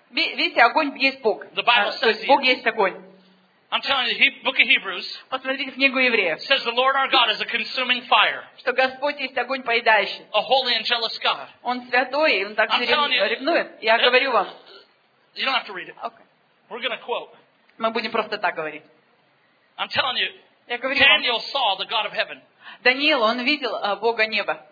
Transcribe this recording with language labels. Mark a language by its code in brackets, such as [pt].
[ru] Видите, огонь есть Бог. [en] The Bible says [ru] то есть Бог есть огонь. [en] I'm telling you, the book of Hebrews. [ru] Посмотрите в книгу Евреев. [en] Says the Lord our God is a consuming fire. [ru] Что Господь есть огонь поедающий. [en] A holy and jealous God. [ru] Он святой, и он так ревнует. Я говорю вам. [en] You don't have to read it. Okay. We're going to quote. [ru] Мы будем просто так говорить. [en] I'm telling you. [ru] Я говорю вам. [en] Daniel saw the God of heaven. [ru] Даниил, он видел Бога неба.